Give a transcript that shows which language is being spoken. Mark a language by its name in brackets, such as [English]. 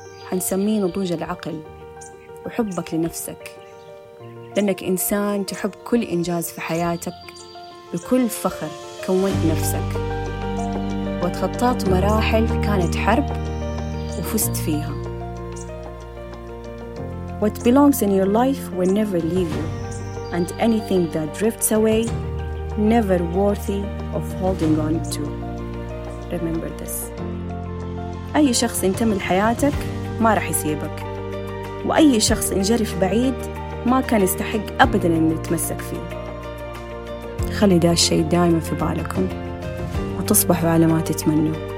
[Arabic] حنسميه نضوج العقل وحبك لنفسك، لأنك إنسان تحب كل إنجاز في حياتك بكل فخر كونت نفسك وتخطيت مراحل كانت حرب وفزت فيها. [English] What belongs in your life will never leave you, and anything that drifts away never worthy of holding on to. Remember this. [Arabic] أي شخص انتم لحياتك ما رح يسيبك، وأي شخص انجرف بعيد ما كان يستحق أبداً أن يتمسك فيه. خلي دا الشيء دائماً في بالكم وتصبحوا على ما تتمنوا.